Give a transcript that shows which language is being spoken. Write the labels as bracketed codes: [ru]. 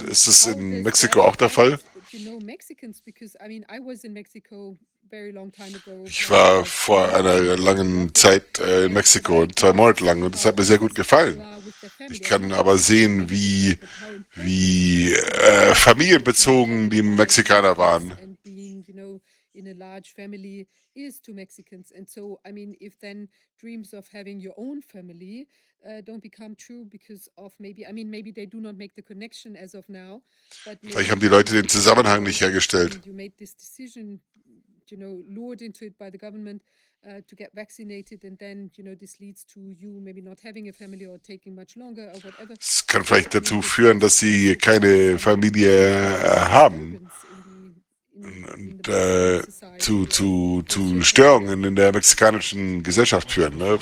[de] Ist das in Mexiko auch der Fall? Ich war vor einer langen Zeit in Mexiko, 2 Monate lang, und das hat mir sehr gut gefallen. Ich kann aber sehen, wie familienbezogen die Mexikaner waren. [en] In a large family is to Mexicans. And so, I mean, if then dreams of having your own family don't become true because of maybe they do not make the connection as of now. [de] Vielleicht haben die Leute den Zusammenhang nicht hergestellt. [en] You made this decision, you know, lured into it by the government to get vaccinated, and then, you know, this leads to you maybe not having a family or taking much longer or whatever. [de] Es kann vielleicht dazu führen, dass sie keine Familie haben. Und zu Störungen in der mexikanischen Gesellschaft führen. Ne?